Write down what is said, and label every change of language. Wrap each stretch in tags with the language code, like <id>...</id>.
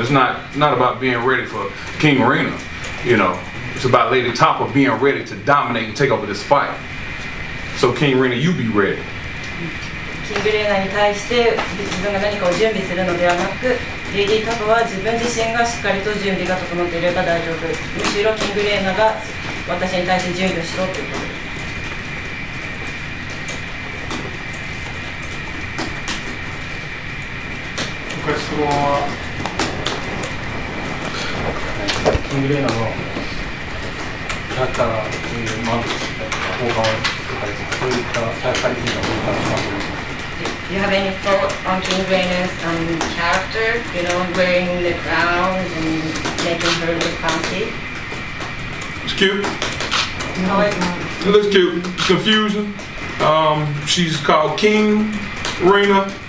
<en>It's not about being ready for King Rena, you know. It's about Lady Topper being ready to dominate and take over this fight. So King Rena, you be ready.</en> <ja>キングレーナに対して自分が何かを準備するのではなく、レディータップは自分自身がしっかりと準備が整っていれば大丈夫。むしろキングレーナが私に対して準備をしろということです。今回質問は、キングレーナのキャラクターが満足した効果を使われて、そういったキャラクター的な効果をしますか。</ja> <en>Do you have any thought on King Rena's character, you know, wearing the crown and making her look fancy? It's cute. No, it's not. It looks cute. It's confusing. She's called King Rena.</en>